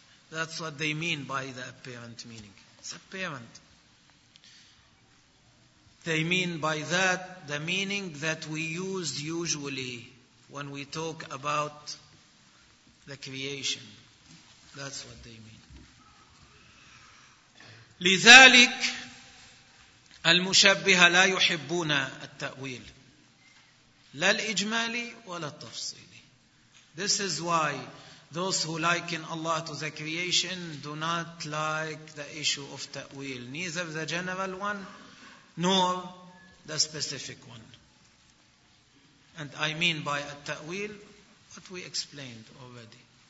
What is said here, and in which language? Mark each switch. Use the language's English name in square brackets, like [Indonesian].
[English] That's what they mean by the apparent meaning. It's apparent. They mean by that the meaning that we use usually when we talk about the creation. That's what they mean. [Arabic] لذلك المشبهة لا يحبون التأويل لا الإجمالي ولا التفصيلي. [English] This is why those who liken Allah to the creation do not like the issue of ta'wil, neither the general one nor the specific one. And I mean by التأويل what we explained already.